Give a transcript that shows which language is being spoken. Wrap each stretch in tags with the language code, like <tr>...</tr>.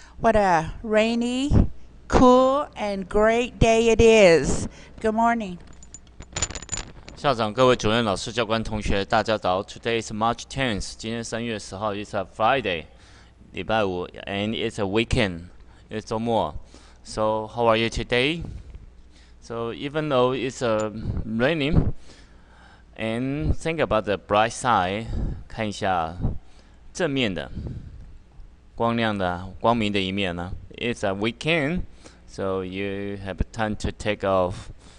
<en>What a rainy, cool, and great day it is. Good morning.</en> <zh>校长、各位主任、老师、教官、同学，大家早。</zh> <en>Today is March 10th.</en> <zh>今天3月10号</zh> <en>，It's a Friday.</en> <zh>礼拜五</zh> <en>，and it's a weekend.</en> <zh>是周末。</zh> <en>So how are you today? So even though it's raining, and think about the bright side.</en> <zh>看一下正面的、光亮的、光明的一面呢。</zh> <en>It's a weekend, so you have time to take off.</en>